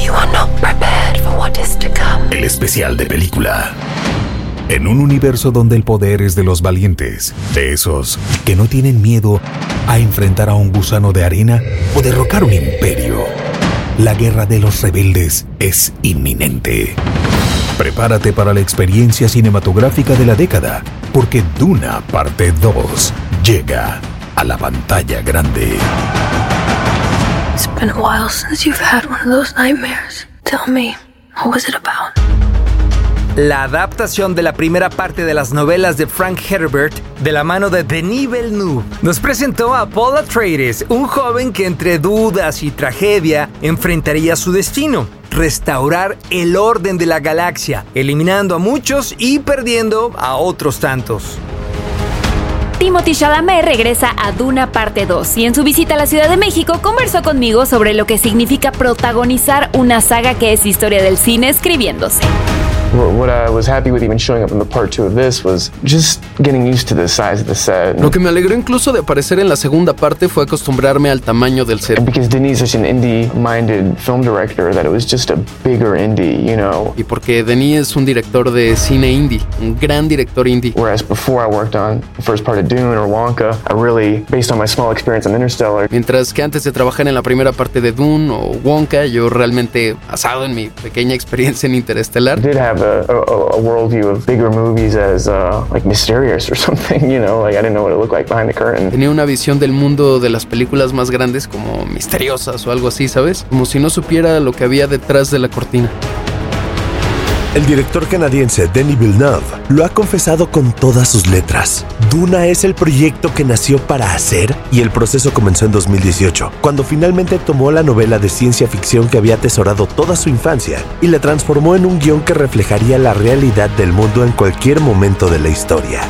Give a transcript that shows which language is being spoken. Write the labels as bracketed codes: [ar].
[en] You are not prepared for what is to come. [es] El especial de película. En un universo donde el poder es de los valientes, de esos que no tienen miedo a enfrentar a un gusano de arena o derrocar un imperio, la guerra de los rebeldes es inminente. Prepárate para la experiencia cinematográfica de la década, porque Duna Parte 2 llega a la pantalla grande. [en] It's been a while since you've had one of those nightmares. Tell me, what was it about? [es] La adaptación de la primera parte de las novelas de Frank Herbert, de la mano de Denis Villeneuve, nos presentó a Paul Atreides, un joven que entre dudas y tragedia enfrentaría su destino: restaurar el orden de la galaxia, eliminando a muchos y perdiendo a otros tantos. Timothée Chalamet regresa a Duna Parte 2 y en su visita a la Ciudad de México conversó conmigo sobre lo que significa protagonizar una saga que es historia del cine escribiéndose. [en] What I was happy with even showing up in the part two of this was just getting used to the size of the set. [es] Lo que me alegró incluso de aparecer en la segunda parte fue acostumbrarme al tamaño del set. [en] And because Denis is such an indie-minded film director that it was just a bigger indie, you know. [es] Y porque Denis es un director de cine indie, un gran director indie. [en] Whereas before I worked on the first part of Dune or Wonka, I really, based on my small experience on Interstellar. [es] Mientras que antes de trabajar en la primera parte de Dune o Wonka, yo realmente basado en mi pequeña experiencia en Interstellar. [en] Have a worldview of bigger movies as like mysterious or something, you know, like I didn't know what it looked like behind the curtain. [es] Tenía una visión del mundo de las películas más grandes como misteriosas o algo así, ¿sabes? Como si no supiera lo que había detrás de la cortina. El director canadiense Denis Villeneuve lo ha confesado con todas sus letras. Duna es el proyecto que nació para hacer y el proceso comenzó en 2018, cuando finalmente tomó la novela de ciencia ficción que había atesorado toda su infancia y la transformó en un guión que reflejaría la realidad del mundo en cualquier momento de la historia.